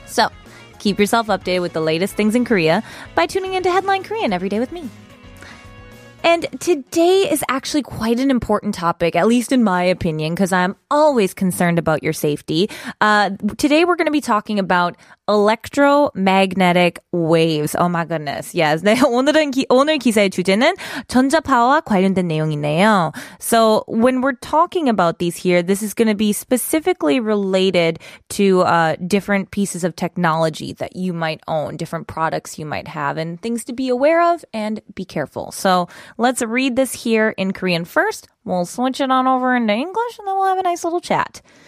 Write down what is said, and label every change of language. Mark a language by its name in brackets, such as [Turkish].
[English] So keep yourself updated with the latest things in Korea by tuning into Headline Korean every day with me. And today is actually quite an important topic, at least in my opinion, because I'm always concerned about your safety. Today we're going to be talking about electromagnetic waves. Oh my goodness. Yes. [Korean] 네, 오늘 기사의 주제는 전자파와 관련된 내용이네요. [English] So when we're talking about these here, this is going to be specifically related to different pieces of technology that you might own, different products you might have, and things to be aware of and be careful. So let's read this here in Korean first. We'll switch it on over into English and then we'll have a nice little chat.